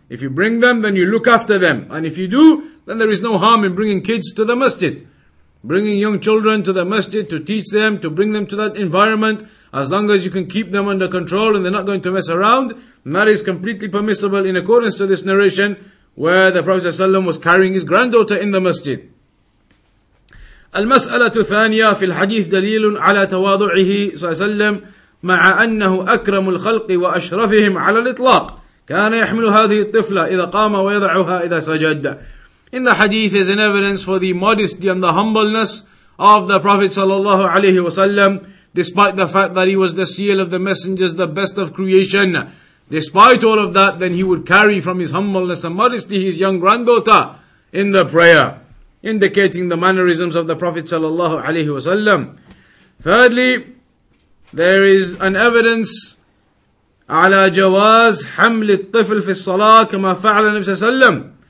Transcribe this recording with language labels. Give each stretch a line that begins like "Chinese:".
English: If you bring them, then you look after them. And if you do, then there is no harm in bringing kids to the masjid. Bringing young children to the masjid to teach them, to bring them to that environment, as long as you can keep them under control and they're not going to mess around, that is completely permissible in accordance to this narration where the Prophet ﷺ was carrying his granddaughter in the masjid.
Arabic: المسألة الثانية في الحديث دليل على تواضعه صلى الله عليه وسلم مع أنه أكرم الخلق وأشرفهم على الإطلاق كان يحمل هذه الطفلة إذا قام ويضعها إذا سجد.
English: In the hadith is an evidence for the modesty and the humbleness of the Prophet sallallahu alayhi wasallam, despite the fact that he was the seal of the messengers, the best of creation. Despite all of that, then he would carry from his humbleness and modesty his young granddaughter in the prayer, indicating the mannerisms of the Prophet sallallahu alayhi wasallam. Thirdly, there is an evidence
Arabic: على جواز حمل الطفل في الصلاة كما فعل النبي sallam.